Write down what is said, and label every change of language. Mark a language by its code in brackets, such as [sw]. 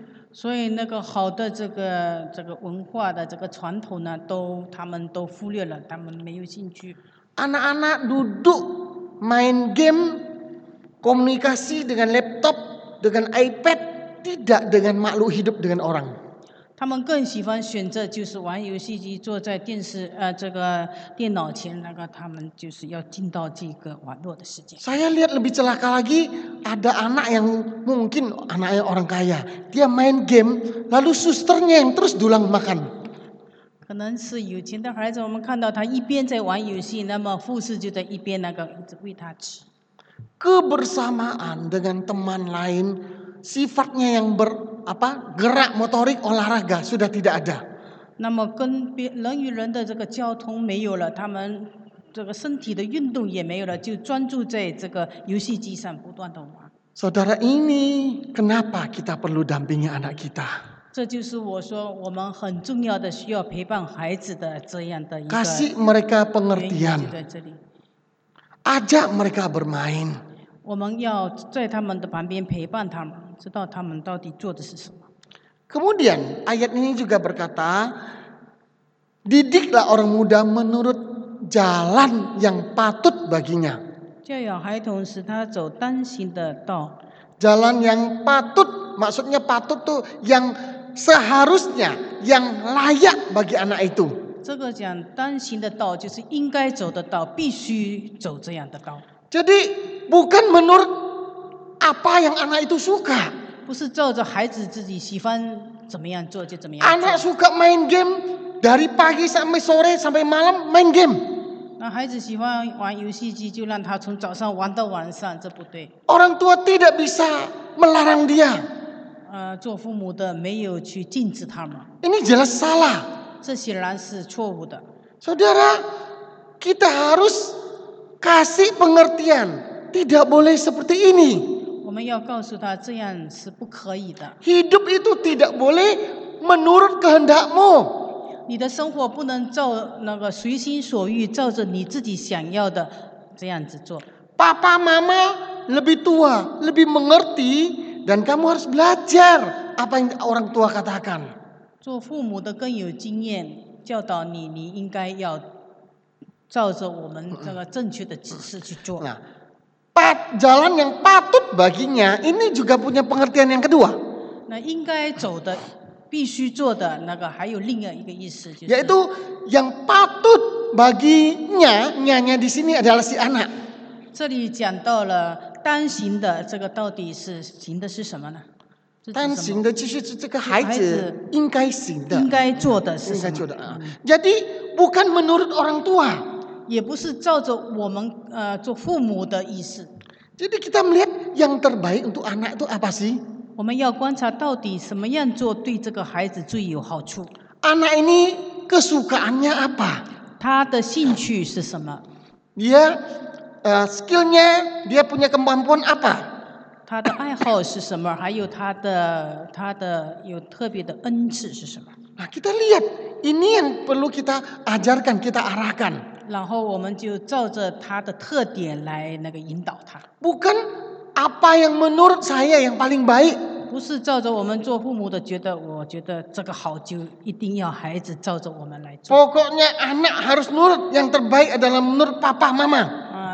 [zh] 所以那个好的这个文化的这个传统呢，都他们都忽略了，他们没有兴趣。 [id] Anak-anak duduk main game, komunikasi dengan laptop, dengan iPad, tidak dengan makhluk hidup dengan orang. [zh] 他们更喜欢选择就是玩游戏机，坐在电视这个电脑前，那个他们就是要进到这个网络的世界。 [id] Saya lihat lebih celaka lagi, ada anak yang mungkin anaknya orang kaya, dia main game, lalu susternya yang terus dulang makan. [zh] 可能是有钱的孩子，我们看到他一边在玩游戏，那么护士就在一边那个一直喂他吃。 [id] Kebersamaan dengan teman lain, sifatnya yang gerak motorik olahraga sudah tidak ada. [zh] 那么跟人与人的这个交通没有了，他们这个身体的运动也没有了，就专注在这个游戏机上不断的玩。 [id] Saudara ini, kenapa kita perlu dampingi anak kita? [zh] 这就是我说我们很重要的需要陪伴孩子的这样的一个。 [id] Kasih mereka pengertian. Ajak mereka bermain. [zh] 我们要在他们的旁边陪伴他们。知道他们到底做的是什么。 [id] Kemudian ayat ini juga berkata, didiklah orang muda menurut jalan yang patut baginya. [zh] 教养孩童使他走当行的道。 [id] Jalan yang patut, maksudnya patut tuh yang seharusnya, yang layak bagi anak itu. [zh] 这个讲当行的道就是应该走的道，必须走这样的道。 [id] Jadi bukan menurut apa yang anak itu suka? [zh] 不是照着孩子自己喜欢怎么样做就怎么样。 [id] Anak suka main game dari pagi sampai sore sampai malam main game. [zh] 那孩子喜欢玩游戏机，就让他从早上玩到晚上，这不对。 [id] Orang tua tidak bisa melarang dia. [zh] 做父母的没有去禁止他们。 [id] Ini jelas salah. [zh] 这显然是错误的。 [id] Saudara, kita harus kasih pengertian, tidak boleh seperti ini. [zh] 我们要告诉他这样是不可以的。 [id] Hidup itu tidak boleh menurut kehendakmu. [zh] 你的生活不能照那个随心所欲，照着你自己想要的这样子做。 [id] Papa mama lebih tua, lebih mengerti, dan kamu harus belajar apa yang orang tua katakan. [zh] 做父母的更有经验，教导你，你应该要照着我们这个正确的指示去做。 [id] Jalan yang patut baginya ini juga punya pengertian yang kedua. [zh] 那应该走的必须做的那个还有另外一个意思，就是 [id] yaitu yang patut baginya, nyanya di sini adalah si anak. [zh] 这里讲到了单行的这个到底是行的是什么呢？单行的就是这个孩子应该行的，应该做的是什么的啊？ [id] Jadi bukan menurut orang tua. [zh] 也不是照着我们做父母的意思。 [id] Jadi kita melihat yang terbaik untuk anak itu apa sih? [zh] 我们要观察到底什么样做对这个孩子最有好处。 [id] Anak ini kesukaannya apa? [zh] 他的兴趣是什么？ [id] Dia skillnya, dia punya kemampuan apa? [zh] 他的爱好是什么，还有他的有特别的恩赐是什么。 [id] Nah, kita lihat, ini yang perlu kita ajarkan, kita arahkan. [zh] 然后我们就照着他的特点来那个引导他。 [id] Bukan apa yang menurut saya yang paling baik. [zh] 不是照着我们做父母的觉得，我觉得这个好就一定要孩子照着我们来做。 [id] Pokoknya anak harus nurut yang terbaik adalah menurut papa mama.